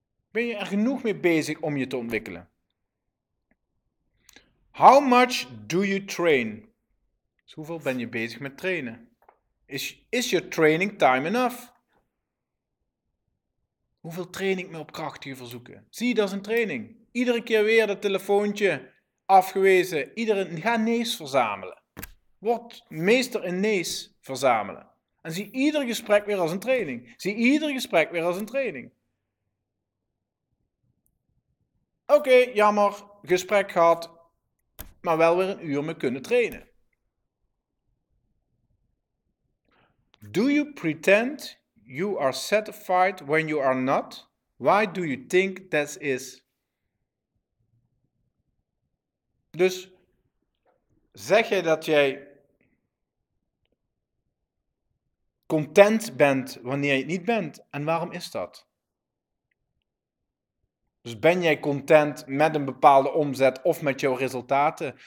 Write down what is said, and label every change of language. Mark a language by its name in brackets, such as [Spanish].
[Dutch] Ben je er genoeg mee bezig om je te ontwikkelen? [English] How much do you train? [Dutch] Dus hoeveel ben je bezig met trainen? [English] Is your training time enough? [Dutch] Hoeveel training me op krachtige verzoeken? Zie je dat als een training? Iedere keer weer dat telefoontje afgewezen. Ga nee's verzamelen. Word meester in nee's verzamelen. En zie ieder gesprek weer als een training. Zie ieder gesprek weer als een training. Oké, jammer. Gesprek gehad. Maar wel weer een uur mee kunnen trainen. [English] Do you pretend you are satisfied when you are not? Why do you think this is? [Dutch] Dus zeg je dat jij content bent wanneer je het niet bent? En waarom is dat? Dus ben jij content met een bepaalde omzet of met jouw resultaten?